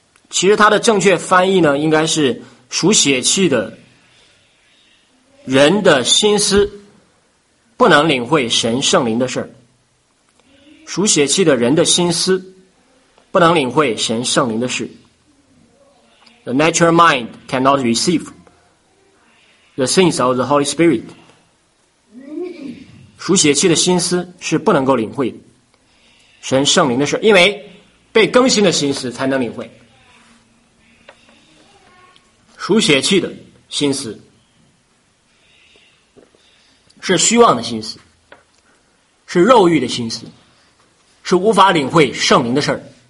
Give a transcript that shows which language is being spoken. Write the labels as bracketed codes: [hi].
[zh] 其实它的正确翻译呢，应该是属血气的人的心思不能领会神圣灵的事儿。属血气的人的心思不能领会神圣灵的事。 [en] The natural mind cannot receive the things of the Holy Spirit. [zh] 属血气的心思是不能够领会神圣灵的事，因为被更新的心思才能领会。属血气的心思是虚妄的心思，是肉欲的心思，是无法领会圣灵的事儿。